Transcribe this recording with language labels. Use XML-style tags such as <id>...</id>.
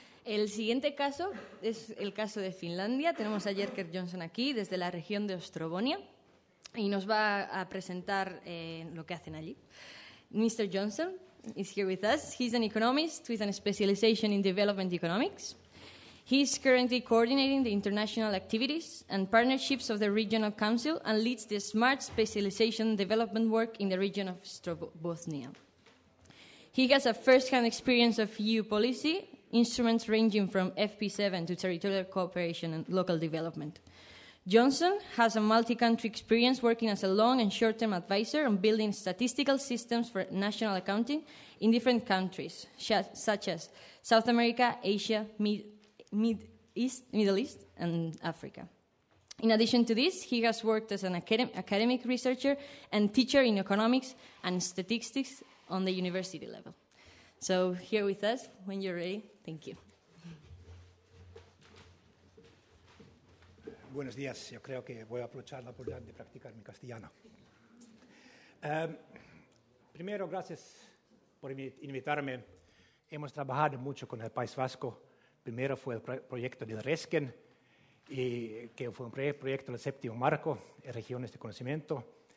<es>El siguiente caso es el caso de Finlandia. Tenemos a Jerker Johnson aquí desde la región de Ostrobotnia y nos va a presentar lo que hacen allí.</es> <en>Mr. Johnson is here with us. He's an economist with a specialization in development economics. He is currently coordinating the international activities and partnerships of the Regional Council and leads the smart specialization development work in the region of Ostrobotnia. He has a first-hand experience of EU policy, instruments ranging from FP7 to territorial cooperation and local development. Johnson has a multi-country experience working as a long and short-term advisor on building statistical systems for national accounting in different countries, such as South America, Asia, Middle East, and Africa. In addition to this, he has worked as an academic researcher and teacher in economics and statistics on the university level. So here with us, when you're ready, thank you.</en> <es>Buenos días. Yo creo que voy a aprovechar la oportunidad de practicar mi castellano. Primero, gracias por invitarme. Hemos trabajado mucho con el País Vasco. Primero fue el proyecto del RESCEN, que fue un proyecto del séptimo marco, regiones de conocimiento.</es>